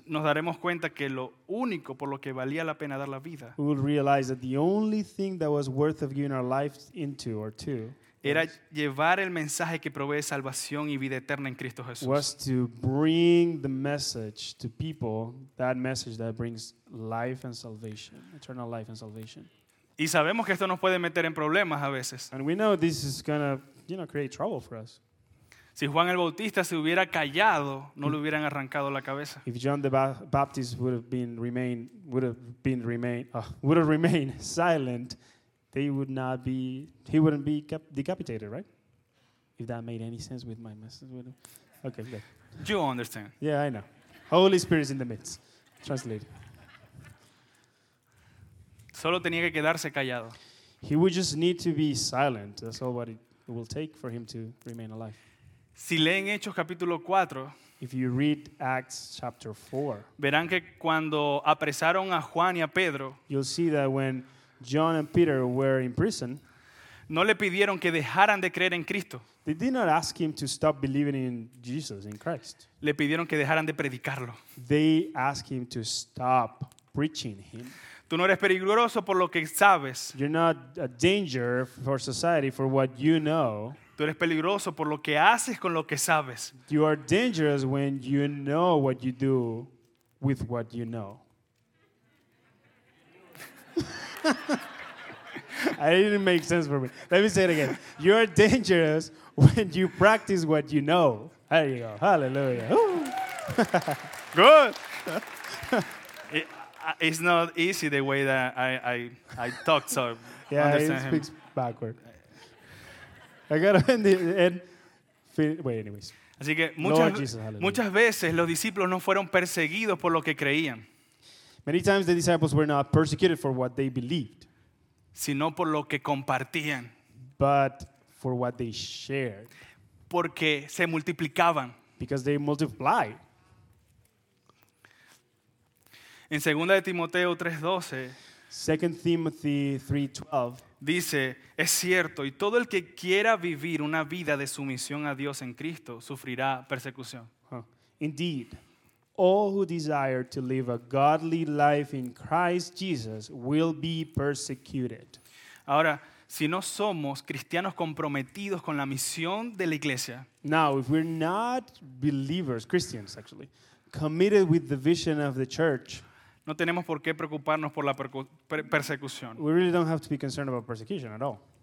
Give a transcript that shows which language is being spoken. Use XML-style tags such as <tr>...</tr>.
<es>Nos daremos cuenta que lo único por lo que valía la pena dar la vida.</es> <en>We will realize that the only thing that was worth of giving our life into or to.</en> <es>era llevar el mensaje que provee salvación y vida eterna en Cristo Jesús.</es> <en>Was to bring the message to people, that message that brings life and salvation, eternal life and salvation.</en> <es>Y sabemos que esto nos puede meter en problemas a veces.</es> <en>And we know this is gonna, you know, create trouble for us.</en> <es>Si Juan el Bautista se hubiera callado, no le hubieran arrancado la cabeza.</es> <en>If John the Baptist would have been remained silent, they would not be, he wouldn't be decapitated, right? If that made any sense with my message. Okay, good. You understand. Yeah, I know. Holy Spirit's in the midst. Translate.</en> <es>Solo tenía que quedarse callado.</es> <en>He would just need to be silent. That's all what it will take for him to remain alive.</en> <es>Si leen Hechos capítulo 4,</es> <en>if you read Acts chapter 4,</en> <es>verán que cuando apresaron a Juan y a Pedro,</es> <en>you'll see that when John and Peter were in prison,</en> <es>no le pidieron que dejaran de creer en Cristo.</es> <en>They did not ask him to stop believing in Jesus, in Christ.</en> <es>Le pidieron que dejaran de predicarlo.</es> <en>They asked him to stop preaching him.</en> <es>Tú no eres peligroso por lo que sabes.</es> <en>You're not a danger for society for what you know.</en> <es>Tú eres peligroso por lo que haces con lo que sabes.</es> <en>You are dangerous when you know what you do with what you know. I didn't make sense for me. Let me say it again. You are dangerous when you practice what you know. There you go. Hallelujah. Good. It's not easy the way that I talk, so yeah, understand he speaks backward. I gotta end it. Wait, anyways.</en> <es>Así que muchas veces los discípulos no fueron perseguidos por lo que creían.</es> <en>Many times the disciples were not persecuted for what they believed,</en> <es>sino por lo que compartían.</es> <en>But for what they shared.</en> <es>Porque se multiplicaban.</es> <en>Because they multiplied.</en> <es>En 2 de Timoteo 3:12,</es> <en>2 Timothy 3:12,</en> <es>dice, es cierto, y todo el que quiera vivir una vida de sumisión a Dios en Cristo sufrirá persecución.</es> <en>Indeed, all who desire to live a godly life in Christ Jesus will be persecuted.</en> <es>Ahora, si no somos cristianos comprometidos con la misión de la iglesia.</es> <en>Now, if we're not believers, Christians actually, committed with the vision of the church,</en> <es>no tenemos por qué preocuparnos por la persecución.</es> <en>We really don't have to be concerned about persecution at all.</en>